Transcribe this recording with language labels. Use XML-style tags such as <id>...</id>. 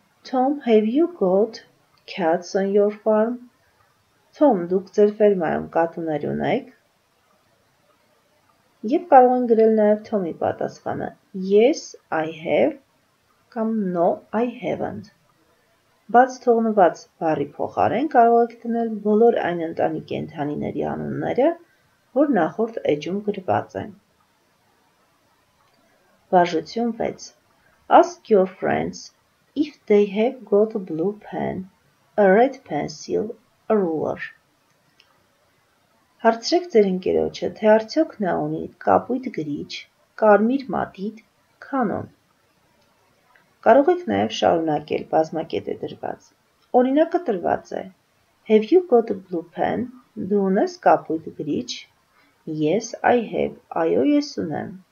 <en>Tom, have you got cats on your farm?</en> <hy>Tom, դուք ձեր ֆերմայում կատուներ ունե՞ք։ Եվ կարող են գրել նաև Թոմի պատասխանը.</hy> <en>Yes, I have</en> <hy>կամ</hy> <en>No, I haven't.</en> <hy>Բաց թողնված բառի փոխարեն կարող եք դնել բոլոր այն ընտանի կենդանիների անունները, որ նախորդ էջում գրված են։ Վարժություն 6.</hy> <en>Ask your friends if they have got a blue pen, a red pencil, a ruler.</en> <hy>Հարցրեք ձեր ընկերոջը, թե արդյոք նա ունի կապույտ գրիչ, կարմիր մատիտ, քանոն։ Կարող եք նաև շարունակել բազմակետը դրված։ Օրինակը տրված է.</hy> <en>Have you got a blue pen?</en> <hy>Դու ունես կապույտ գրիչ?</hy> <en>Yes, I have.</en> <hy>Այո, ես ունեմ.</hy>